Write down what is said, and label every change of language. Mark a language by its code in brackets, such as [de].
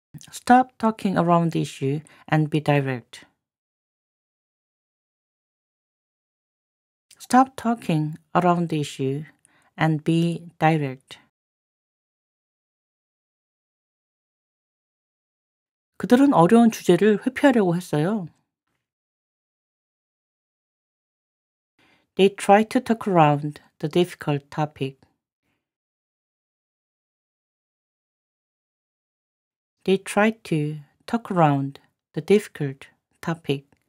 [en] Stop talking around the issue and be direct. Stop talking around the issue and be direct. [ko] 그들은 어려운 주제를 회피하려고 했어요. [en] They try to talk around the difficult topic. They try to talk around the difficult topic.